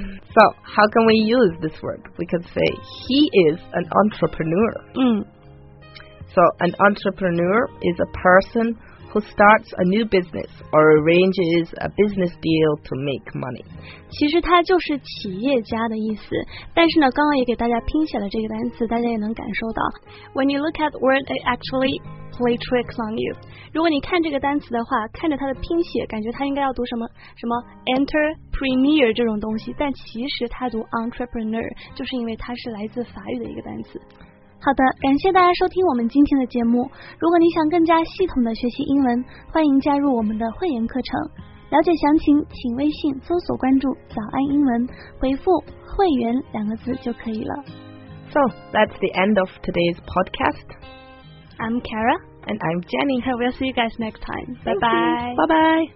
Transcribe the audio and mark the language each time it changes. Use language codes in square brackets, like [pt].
[en] So, how can we use this word? We can say he is an entrepreneur. So, an entrepreneur is a person who starts a new business or arranges a business deal to make money. [zh] 其实它就是企业家的意思，但是呢，刚刚也给大家拼写了这个单词，大家也能感受到。 [en] When you look at the word, it actually play tricks on you. [zh] 如果你看这个单词的话，看着它的拼写，感觉它应该要读什么什么 entrepreneur 这种东西，但其实它读 entrepreneur， 就是因为它是来自法语的一个单词。好的，感谢大家收听我们今天的节目。如果你想更加系统的学习英文，欢迎加入我们的会员课程。了解详情，请微信搜索关注“早安英文”，回复“会员”两个字就可以了。 [en] So that's the end of today's podcast. I'm Kara and I'm Jenny. We'll see you guys next time. Bye bye.